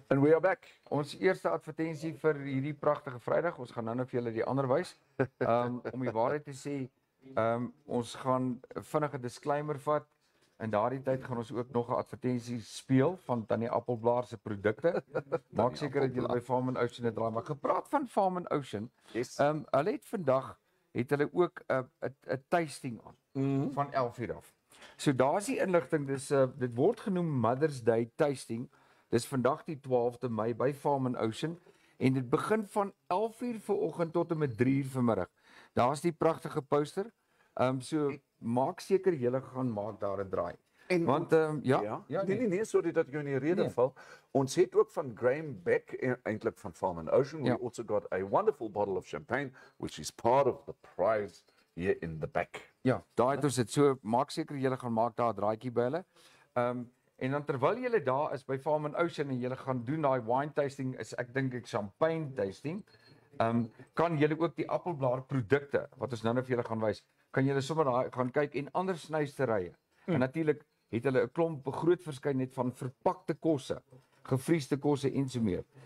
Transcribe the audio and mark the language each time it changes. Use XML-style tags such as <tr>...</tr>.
<en>And we are back.</en> <af>Ons eerste advertensie vir hierdie pragtige Vrydag. Ons gaan nou vir julle die ander wys. Om die waarheid te sê, ons gaan vinnige disclaimer vat. En daardie tyd gaan ons ook nog 'n advertensie speel van Tannie Appelblaar se produkte. Maak seker dat julle by Farm & Ocean draai, maar gepraat van Farm & Ocean.</af> <en>Yes.</en> <af>Hulle het vandag het hulle ook 'n tasting aan van 11:00 af. So daar's die inligting, dit word genoem Mother's Day tasting. Dis vandag die 12de Mei by Farm & Ocean en dit begin van 11:00 vanoggend tot en met 3:00 vanmiddag. Daar's die pragtige poster. So maak seker jy gaan maak daar 'n draai. En, want nee, sorry dat jy in die rede val. Ons het ook van Graham Beck eintlik van Farm & Ocean.</af> <en>We also got a wonderful bottle of champagne which is part of the prize here in the back.</en> <af>Ja, daai het ons dit. So maak seker jy gaan maak daar 'n draaitjie by hulle. En dan terwyl jy daar is by Farm & Ocean en jy gaan doen daai wine tasting, is ek dink ek champagne tasting. Kan jy ook die appelblaar produkte wat ons nou vir julle gaan wys. Kan julle sommer daar gaan kyk en ander snuisterye. En natuurlik het hulle 'n klomp groot verskeidenheid van verpakte kosse, gevriesde kosse en so meer.</af>